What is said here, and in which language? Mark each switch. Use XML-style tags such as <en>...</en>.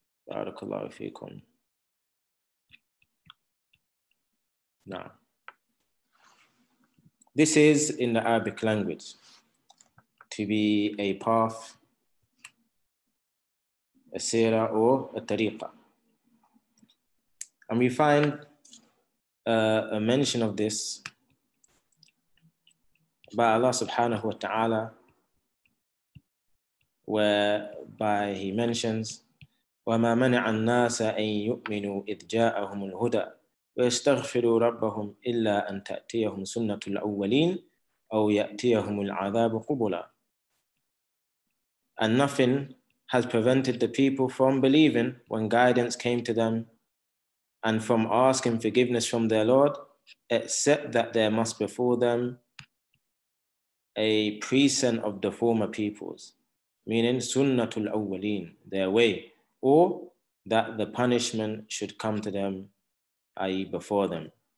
<en>Barakallahu feekum. Now. This is in the Arabic language, to be a path, a sira or a tariqa. And we find a mention of this by Allah subhanahu wa ta'ala, whereby he mentions,</en> <ar>وَمَا مَنِعَ النَّاسَ أَن يُؤْمِنُوا إِذْ جَاءَهُمُ الْهُدَىٰ ويستغفروا ربهم إلا أن تأتيهم سنة الأولين أو يأتيهم العذاب قبلا.</ar> <en>And nothing has prevented the people from believing when guidance came to them and from asking forgiveness from their Lord, except that there must before them a precent of the former peoples, meaning سنة الأولين, their way, or that the punishment should come to them, i.e. before them.</en>